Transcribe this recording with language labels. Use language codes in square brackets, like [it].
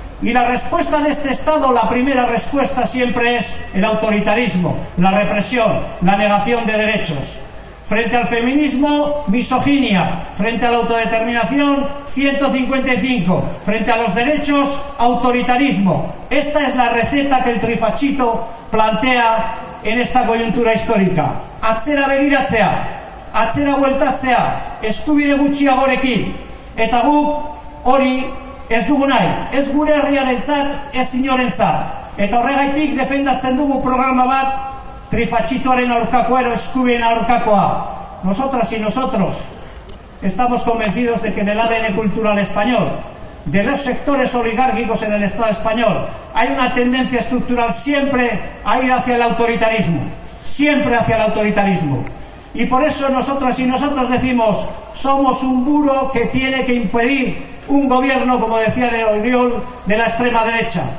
[es] Y la respuesta de este Estado, la primera respuesta siempre es el autoritarismo, la represión, la negación de derechos. Frente al feminismo, misoginia. Frente a la autodeterminación, 155. Frente a los derechos, autoritarismo. Esta es la receta que el trifachito plantea en esta coyuntura histórica. [eu] Atzera begiratzea, atzera bueltatzea, eskubide gutxiagorekin. Eta guk hori ez dugu nahi, ez gure herriarentzat, ez inorentzat. Eta horregaitik defendatzen dugu programa bat, trifachitoaren aurkakoa ero eskubien aurkakoa. [es] Nosotras y nosotros estamos convencidos de que en el ADN cultural español, de los sectores oligárquicos en el Estado español, hay una tendencia estructural siempre a ir hacia el autoritarismo, siempre hacia el autoritarismo. Y por eso nosotras y nosotros decimos, somos un muro que tiene que impedir un gobierno, como decía el Oriol, de la extrema derecha.